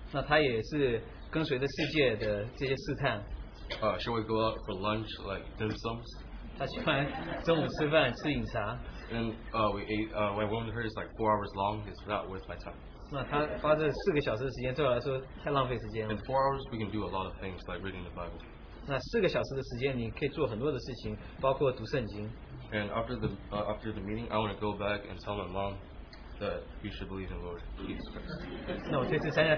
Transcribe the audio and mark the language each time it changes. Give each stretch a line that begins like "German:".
Chinese: 那她也是跟随着世界的这些试探。
English: She would go out for lunch like dim sums.
Chinese: 她喜欢中午吃饭吃饮茶。
English: And when I went to her, it's like 4 hours long. It's not worth my time.
Chinese: 那她花这4个小时的时间对我来说太浪费时间了。
English: In 4 hours, we can do a lot of things like reading the Bible.
Chinese: 那4个小时的时间，你可以做很多的事情，包括读圣经。
English: And after the meeting, I want to go back and tell my mom that you should believe in Lord Jesus Christ.